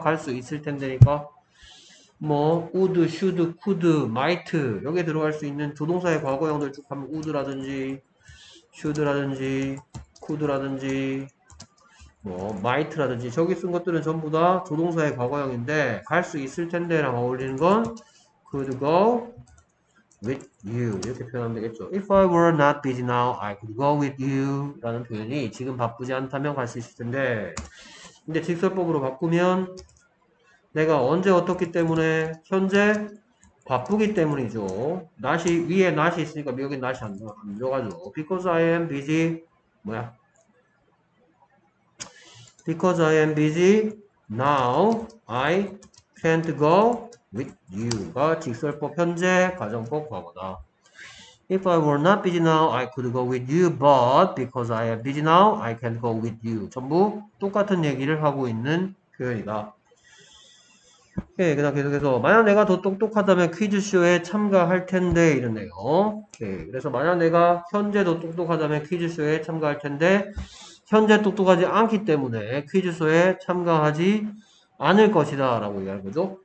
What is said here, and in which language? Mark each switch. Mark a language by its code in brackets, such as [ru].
[ko] 갈수 있을 텐데니까, 뭐, would, should, could, might, 여기에 들어갈 수 있는 조동사의 과거형들 쭉 하면 would라든지, should라든지, could라든지, 뭐, might라든지, 저기 쓴 것들은 전부 다 조동사의 과거형인데, 갈수 있을 텐데랑 어울리는 건, [en] could go with you. [ko] 이렇게 표현하면 되겠죠. [en] If I were not busy now, I could go with you. [ko] 라는 표현이 지금 바쁘지 않다면 갈수 있을 텐데. 근데 직설법으로 바꾸면 내가 언제 어떻기 때문에 현재 바쁘기 때문이죠. not이 위에 not이 있으니까 여기 not이 안 들어가죠. [en] Because I am busy. [ko] 뭐야? [en] Because I am busy now, I can't go with you [ko] 가 직설법 현재 가정법 과거다. [en] If I were not busy now, I could go with you, but because I am busy now, I can't go with you. [ko] 전부 똑같은 얘기를 하고 있는 표현이다. 오케이, 그다음 계속해서 만약 내가 더 똑똑하다면 퀴즈쇼에 참가할 텐데 이랬네요. 오케이, 그래서 만약 내가 현재 더 똑똑하다면 퀴즈쇼에 참가할 텐데 현재 똑똑하지 않기 때문에 퀴즈쇼에 참가하지 않을 것이다 라고 이야기한 거죠.